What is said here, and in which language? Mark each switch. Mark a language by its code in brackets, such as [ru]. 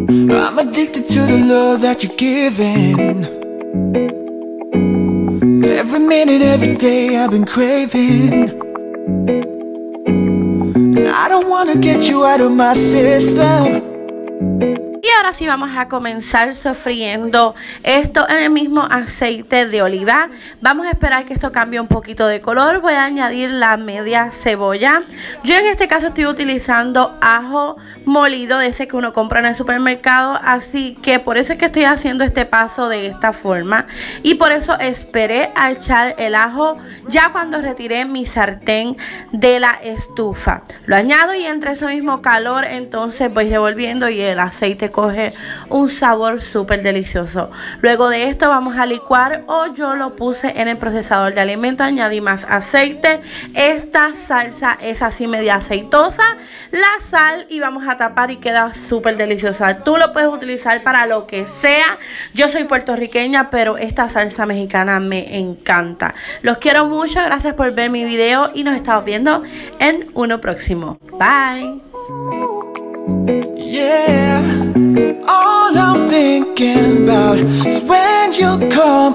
[en] I'm addicted to the love that you're giving. Every minute, every day I've been craving. I don't wanna get you out of my system. [es] Y ahora sí vamos a comenzar sofriendo esto en el mismo aceite de oliva. Vamos a esperar que esto cambie un poquito de color. Voy a añadir la media cebolla. Yo en este caso estoy utilizando ajo molido, de ese que uno compra en el supermercado. Así que por eso es que estoy haciendo este paso de esta forma. Y por eso esperé a echar el ajo ya cuando retiré mi sartén de la estufa. Lo añado y entre ese mismo calor entonces voy revolviendo y el aceite coge un sabor súper delicioso. Luego de esto vamos a licuar, o yo lo puse en el procesador de alimentos, añadí más aceite. Esta salsa es así media aceitosa, la sal, y vamos a tapar y queda súper deliciosa. Tú lo puedes utilizar para lo que sea. Yo soy puertorriqueña, pero esta salsa mexicana me encanta. Los quiero mucho, gracias por ver mi video y nos estamos viendo en uno próximo. [en] Bye. Yeah, all I'm thinking about is when you come.